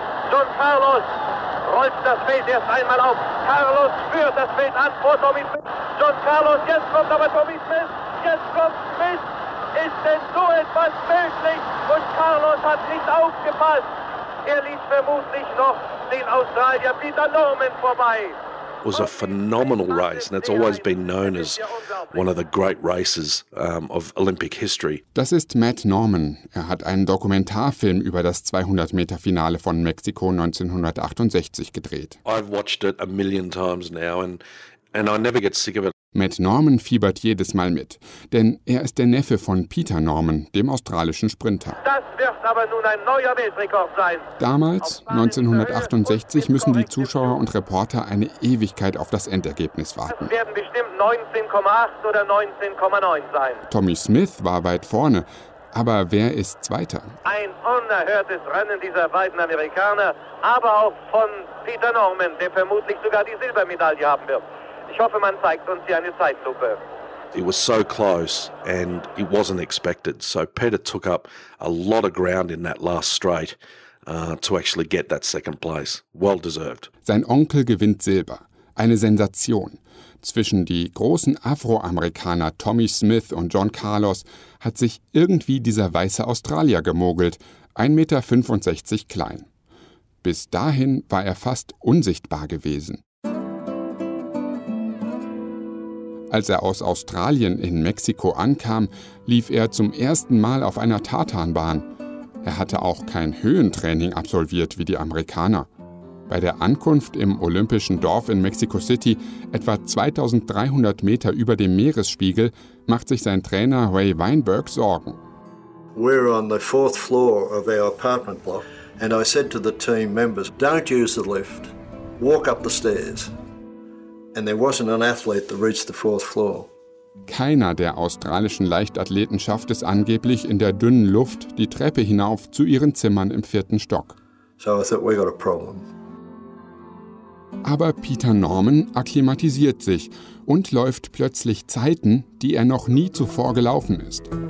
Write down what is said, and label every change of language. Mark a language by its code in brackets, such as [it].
[de] John Carlos rollt das Feld erst einmal auf. Carlos führt das Feld an vor Tommy Smith. John Carlos, jetzt kommt aber Tommy Smith. Jetzt kommt Smith. Ist denn so etwas möglich? Und Carlos hat nicht aufgepasst. Er ließ vermutlich noch den Australier Peter Norman vorbei. [en] Was a phenomenal race and it's always been known as one of the great races of Olympic history. [de] Das ist Matt Norman. Er hat einen Dokumentarfilm über das 200-Meter-Finale von Mexiko 1968 gedreht. [en] I've watched it a million times now and I never get sick of it. [de] Matt Norman fiebert jedes Mal mit, denn er ist der Neffe von Peter Norman, dem australischen Sprinter. Das wird aber nun ein neuer Weltrekord sein. Damals, 1968, müssen die Zuschauer und Reporter eine Ewigkeit auf das Endergebnis warten. Das werden bestimmt 19,8 oder 19,9 sein. Tommy Smith war weit vorne, aber wer ist Zweiter? Ein unerhörtes Rennen dieser beiden Amerikaner, aber auch von Peter Norman, der vermutlich sogar die Silbermedaille haben wird. Ich hoffe, man zeigt uns hier eine Zeitlupe. [en] It was so close and it wasn't expected. So Peter took up a lot of ground in that last straight to actually get that second place. Well deserved. [de] Sein Onkel gewinnt Silber. Eine Sensation. Zwischen die großen Afroamerikaner Tommy Smith und John Carlos hat sich irgendwie dieser weiße Australier gemogelt. 1,65 Meter klein. Bis dahin war er fast unsichtbar gewesen. Als er aus Australien in Mexiko ankam, lief er zum ersten Mal auf einer Tartanbahn. Er hatte auch kein Höhentraining absolviert wie die Amerikaner. Bei der Ankunft im olympischen Dorf in Mexico City, etwa 2300 Meter über dem Meeresspiegel, macht sich sein Trainer Ray Weinberg Sorgen. [en] We're on the fourth floor of our apartment block and I said to the team members, don't use the lift, walk up the stairs. And there wasn't an athlete that reached the fourth floor. [de] Keiner der australischen Leichtathleten schafft es angeblich in der dünnen Luft die Treppe hinauf zu ihren Zimmern im vierten Stock. [en] So I thought we got a problem. [de] Aber Peter Norman akklimatisiert sich und läuft plötzlich Zeiten, die er noch nie zuvor gelaufen ist.